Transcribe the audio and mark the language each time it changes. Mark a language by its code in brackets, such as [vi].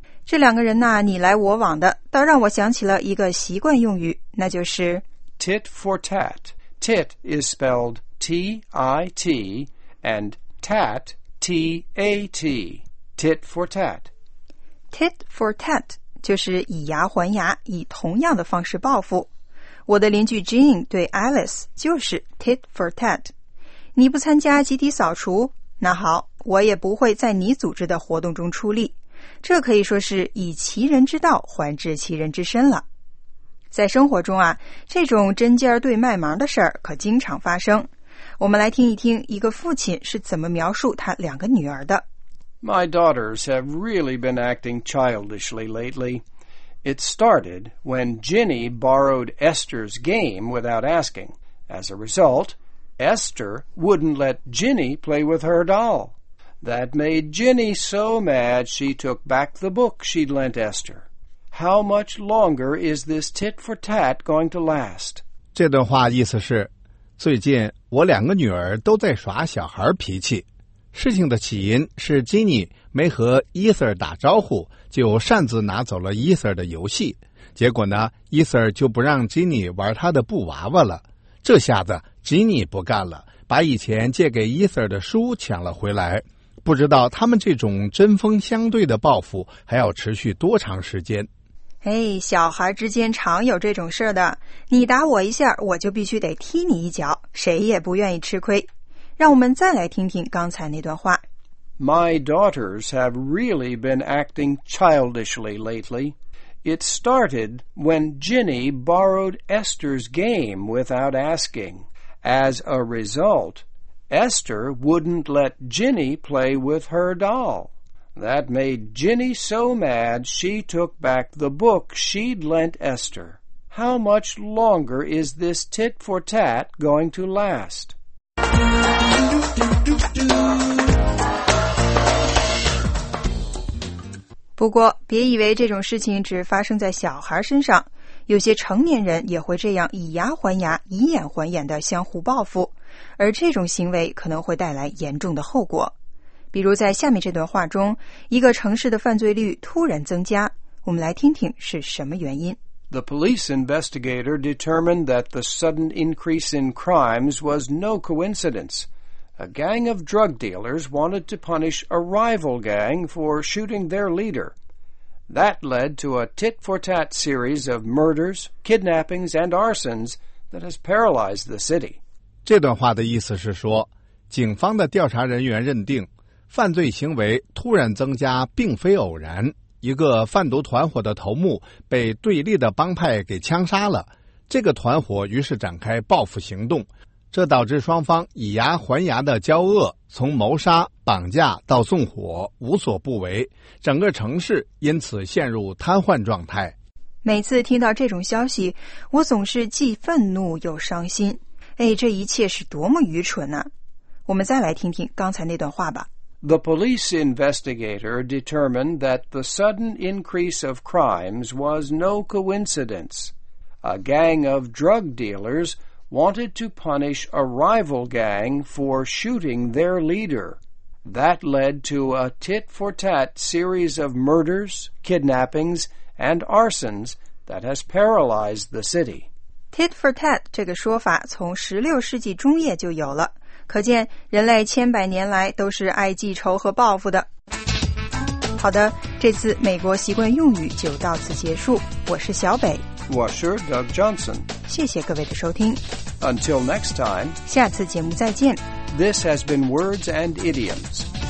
[zh] 这两个人呢，你来我往的，倒让我想起了一个习惯用语，那就是 [en] Tit for tat. Tit is spelledT-I-T and tat, T-A-T, tit for tat. [zh] Tit for tat 就是以牙还牙，以同样的方式报复。我的邻居 Jean 对 Alice 就是 tit for tat. 你不参加集体扫除，那好，我也不会在你组织的活动中出力。这可以说是以其人之道还治其人之身了。在生活中啊，这种针尖对麦芒的事儿可经常发生。我们来听一听一个父亲是怎么描述他两个女儿的。 [en] My daughters have really been acting childishly lately. It started when Ginny borrowed Esther's game without asking. As a result, Esther wouldn't let Ginny play with her doll. That made Ginny so mad she took back the book she'd lent Esther. How much longer is this tit for tat going to last? [zh] 这段话意思是，最近我两个女儿都在耍小孩脾气。事情的起因是金妮没和伊瑟打招呼，就擅自拿走了伊瑟的游戏。结果呢，伊瑟就不让金妮玩他的布娃娃了。这下子金妮不干了，把以前借给伊瑟的书抢了回来。不知道他们这种针锋相对的报复还要持续多长时间。哎，小孩之间常有这种事的，你打我一下，我就必须得踢你一脚，谁也不愿意吃亏。让我们再来听听刚才那段话。 [en] My daughters have really been acting childishly lately. It started when Ginny borrowed Esther's game without asking. As a result, Esther wouldn't let Ginny play with her doll. That made Ginny so mad she took back the book she'd lent Esther. How much longer is this tit for tat going to last? Do-do-do-do-do. [zh] 不过，别以为这种事情只发生在小孩身上，有些成年人也会这样以牙还牙、以眼还眼的相互报复，而这种行为可能会带来严重的后果。比如在下面这段话中，一个城市的犯罪率突然增加，我们来听听是什么原因。 [en] The police investigator determined that the sudden increase in crimes was no coincidence. A gang of drug dealers wanted to punish a rival gang for shooting their leader. That led to a tit-for-tat series of murders, kidnappings, and arsons that has paralyzed the city. [zh] 这段话的意思是说，警方的调查人员认定犯罪行为突然增加并非偶然。一个贩毒团伙的头目被对立的帮派给枪杀了，这个团伙于是展开报复行动，这导致双方以牙还牙的交恶，从谋杀、绑架到纵火无所不为，整个城市因此陷入瘫痪状态。每次听到这种消息，我总是既愤怒又伤心。哎，这一切是多么愚蠢啊！我们再来听听刚才那段话吧。 [en] The police investigator determined that the sudden increase of crimes was no coincidence. A gang of drug dealers wanted to punish a rival gang for shooting their leader. That led to a tit-for-tat series of murders, kidnappings, and arsons that has paralyzed the city. [zh] Tit-for-tat 这个说法从16世纪中叶就有了。可见人类千百年来都是爱记仇和报复的。好的，这次美国习惯用语就到此结束。我是小北。我是 Doug Johnson。谢谢各位的收听。 [en] Until next time. [zh] 下次节目再见。 [en] This has been Words and Idioms.